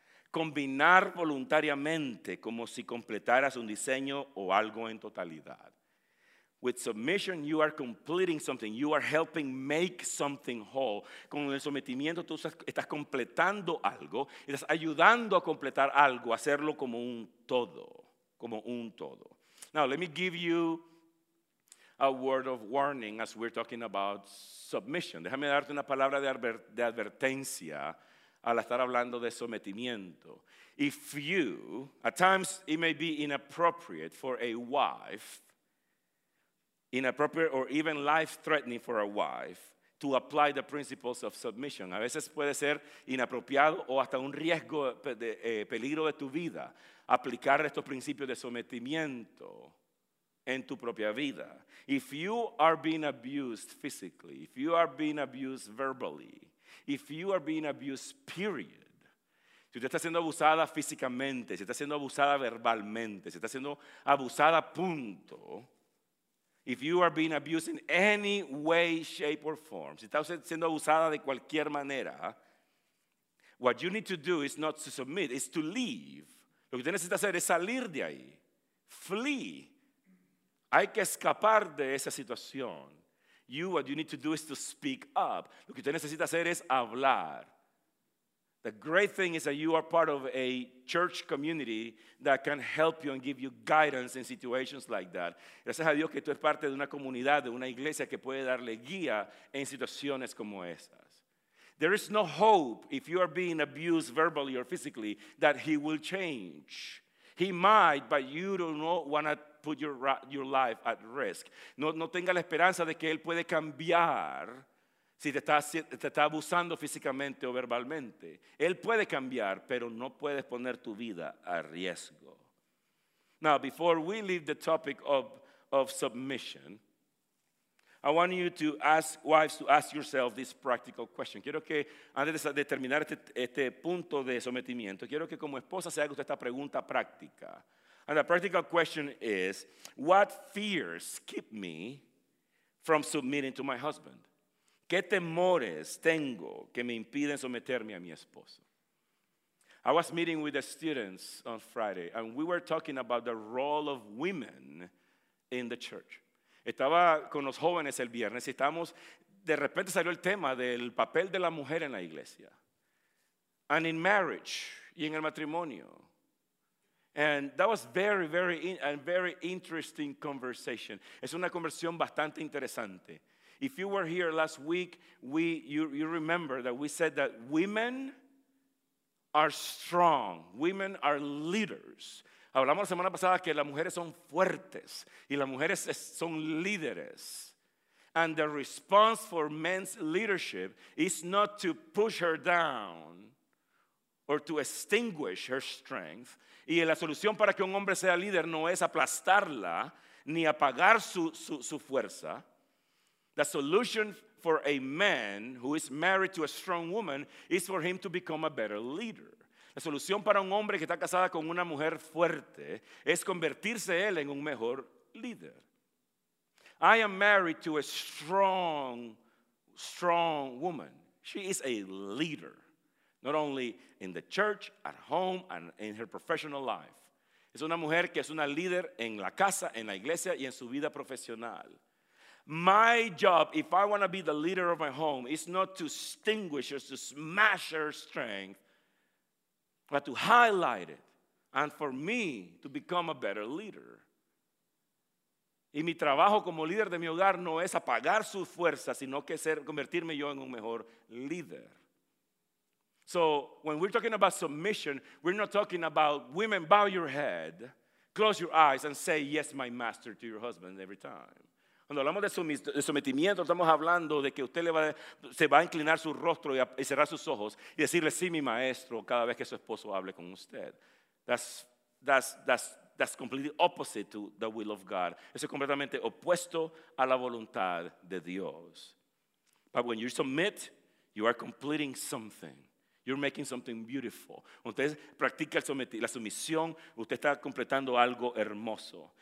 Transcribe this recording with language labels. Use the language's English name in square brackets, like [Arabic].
[Spanish] Combinar voluntariamente como si completaras un diseño o algo en totalidad. [English] With submission, you are completing something. You are helping make something whole. [Spanish] Con el sometimiento, tú estás completando algo. Estás ayudando a completar algo, hacerlo como un todo. Como un todo. [English] Now, let me give you a word of warning as we're talking about submission. [Spanish] Déjame darte una palabra de advertencia al estar hablando de sometimiento. [English] If you, at times it may be inappropriate for a wife, inappropriate or even life-threatening for a wife, to apply the principles of submission. [Spanish] A veces puede ser inapropiado o hasta un riesgo de peligro de tu vida aplicar estos principios de sometimiento en tu propia vida. [English] If you are being abused physically, if you are being abused verbally, if you are being abused, period. [Spanish] Si usted está siendo abusada físicamente, si está siendo abusada verbalmente, si está siendo abusada, punto. [English] If you are being abused in any way, shape, or form. Si está usted siendo abusada de cualquier manera, what you need to do is not to submit, it's to leave. [Spanish] Lo que usted necesita hacer es salir de ahí. [English] Flee. [Spanish] Hay que escapar de esa situación. [English] You, what you need to do is to speak up. [Spanish] Lo que usted necesita hacer es hablar. [English] The great thing is that you are part of a church community that can help you and give you guidance in situations like that. [Spanish] Gracias a Dios que tú eres parte de una comunidad, de una iglesia que puede darle guía en situaciones como esas. [English] There is no hope if you are being abused verbally or physically that he will change. He might, but you do not want to put your life at risk. [Spanish] No tenga la esperanza de que él puede cambiar si te está abusando físicamente o verbalmente. Él puede cambiar, pero no puedes poner tu vida a riesgo. [English] Now, before we leave the topic of submission, I want you to ask wives to ask yourself this practical question. [Spanish] Quiero que antes de terminar este punto de sometimiento, quiero que como esposa se haga usted esta pregunta práctica. [English] And the practical question is, what fears keep me from submitting to my husband? [Spanish] ¿Qué temores tengo que me impiden someterme a mi esposo? [English] I was meeting with the students on Friday, and we were talking about the role of women in the church. [Spanish] Estaba con los jóvenes el viernes y estábamos, de repente salió el tema del papel de la mujer en la iglesia. [English] And in marriage, [Spanish] y en el matrimonio. [English] And that was a very interesting conversation. [Spanish] Es una conversación bastante interesante. [English] If you were here last week, you remember that we said that women are strong. Women are leaders. [Spanish] Hablamos la semana pasada que las mujeres son fuertes y las mujeres son líderes. [English] And the response for men's leadership is not to push her down or to extinguish her strength. [Spanish] Y la solución para que un hombre sea líder no es aplastarla ni apagar su fuerza. [English] The solution for a man who is married to a strong woman is for him to become a better leader. [Spanish] La solución para un hombre que está casado con una mujer fuerte es convertirse él en un mejor líder. [English] I am married to a strong woman. She is a leader, not only in the church, at home, and in her professional life. [Spanish] Es una mujer que es una líder en la casa, en la iglesia, y en su vida profesional. [English] My job, if I want to be the leader of my home, is not to extinguish or to smash her strength, but to highlight it, and for me to become a better leader. [Spanish] Y mi trabajo como líder de mi hogar no es apagar su fuerza, sino que ser convertirme yo en un mejor líder. [English] So, when we're talking about submission, we're not talking about women, bow your head, close your eyes, and say, yes, my master, to your husband every time. [Spanish] Cuando hablamos de sometimiento, estamos hablando de que usted se va a inclinar su rostro y cerrar sus ojos y decirle, sí, mi maestro, cada vez que su esposo hable con usted. [English] That's completely opposite to the will of God. [Spanish] Eso es completamente opuesto a la voluntad de Dios. [English] But when you submit, you are completing something. You're making something beautiful. [Spanish] Usted practica la sumisión, usted está completando algo hermoso.